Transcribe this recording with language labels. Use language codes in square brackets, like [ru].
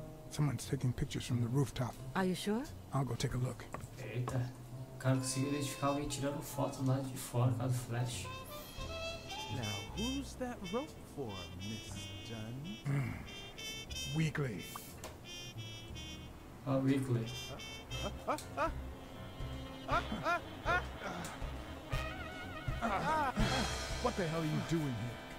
[en] Someone's taking pictures from the rooftop. Are you sure? I'll go take a look. [pt] Eita, o cara conseguiu identificar alguém tirando foto lá de fora, cara do flash. [en] Now, who's that rope for, Miss Dunn? Weekly. Oh, Weekly. What the hell are you doing here?